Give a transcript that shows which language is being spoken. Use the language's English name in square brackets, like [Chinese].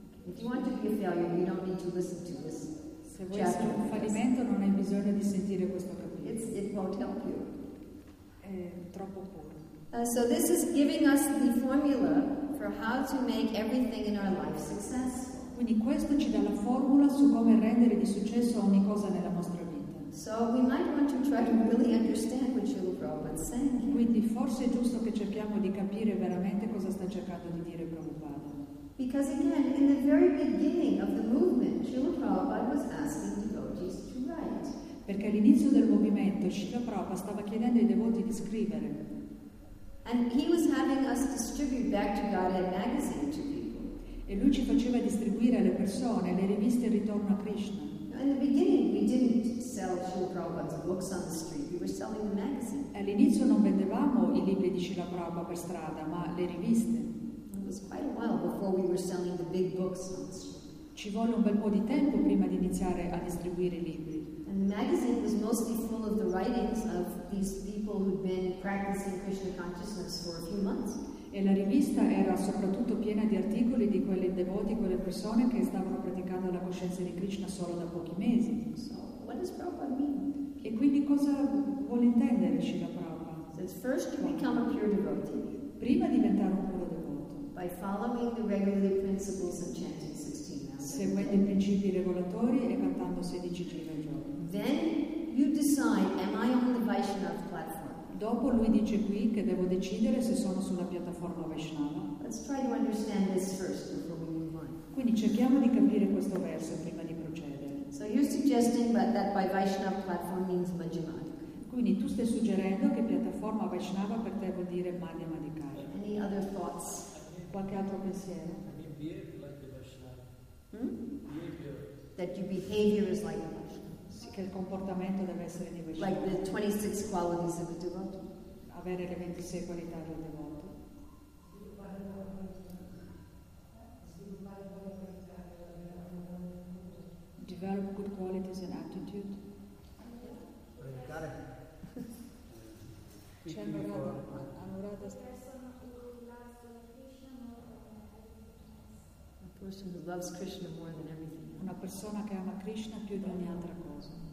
[English] If you want to be a failure, you don't need to listen to this. [Italian] Se vuoi essere un fallimento, non hai bisogno di sentire questo capitolo. [English] It won't help you. [Italian] È troppo puro. [English] So this is giving us the formula for how to make everything in our life success. [Italian] Quindi questo ci dà la formula su come rendere di successo ogni cosa nella nostra vita. [English] So we might want to try to really understand what Srila Prabhupada is saying. [Italian] Quindi forse è giusto che cerchiamo di capire veramente cosa sta cercando di dire Prabhupada. [English] Because again, in the very beginning of the movement, Srila Prabhupada was asking devotees to write. [Italian] Perché all'inizio del movimento, Srila Prabhupada stava chiedendo ai devoti di scrivere. [English] And he was having us distribute Back to Godhead magazine to people. [Italian] E lui ci faceva distribuire alle persone le riviste Ritorno a Krishna. [English] In the beginning, we didn't sell Srila Prabhupada's books on the street. We were selling the magazine. [Italian] All'inizio non vendevamo i libri di Srila Prabhupada per strada, ma le riviste. [English] It was quite a while before we were selling the big books. [Italian] Ci volle un bel po' di tempo prima di iniziare a distribuire libri. [English] And the magazine was mostly full of the writings of these people who'd been practicing Krishna consciousness for a few months. [Italian] E la rivista era soprattutto piena di articoli di quelle devoti, quelle persone che stavano praticando la coscienza di Krishna solo da pochi mesi. [English] So, what does Prabhupada mean? [Italian] E quindi cosa vuol intendere Srila Prabhupada? [English] Says first you become a pure devotee. [Italian] Prima diventare un puro devoto. [English] By following the regular principles of chanting 16 hours. [Italian] Seguendo i principi regolatori e cantando 16 giri al giorno. [English] Then you decide, am I on the Vaishnava platform? [Italian] Dopo lui dice qui che devo decidere se sono sulla piattaforma Vaishnava. [English] Let's try to understand this first before we move on. [Italian] Quindi cerchiamo di capire questo verso prima di procedere. [English] So you're suggesting that by Vaishnava platform means Majjhimad. [Italian] Quindi tu stai suggerendo che piattaforma Vaishnava per te vuol dire Madhya Madhikara. [English] Any other thoughts? [Italian] Qualche altro pensiero? [English] I mean, behavior like the Vaishnava. That your behavior is like the Vaishnava. [Italian] Sì, che il comportamento deve essere di Vaishnava. [English] Like the 26 qualities of a devotee. [Italian] Avere le 26 qualità del devoto. [English] Develop good qualities and attitude. A person who loves Krishna more than everything. [Italian] Una persona che ama Krishna più di ogni altra cosa.